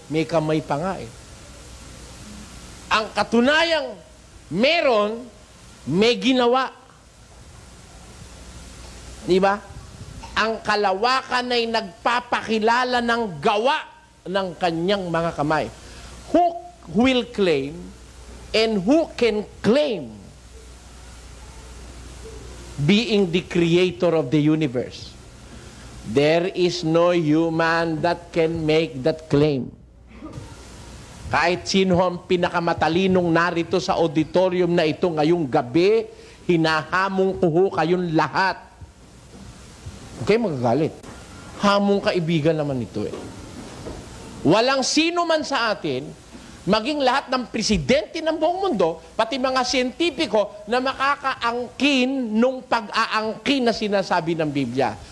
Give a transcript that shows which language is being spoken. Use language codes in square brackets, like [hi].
[tl] May kamay pa nga eh. Ang katunayang meron, may ginawa. Diba? Ang kalawakan ay nagpapakilala ng gawa ng kanyang mga kamay. [en] Who will claim and who can claim being the creator of the universe? There is no human that can make that claim. [tl] Kahit sino ang pinakamatalinong narito sa auditorium na ito ngayong gabi, hinahamong ko kayong lahat. Okay, magagalit. Hamong kaibigan naman ito eh. Walang sino man sa atin, maging lahat ng presidente ng buong mundo, pati mga siyentipiko na makakaangkin nung pag-aangkin na sinasabi ng Biblia.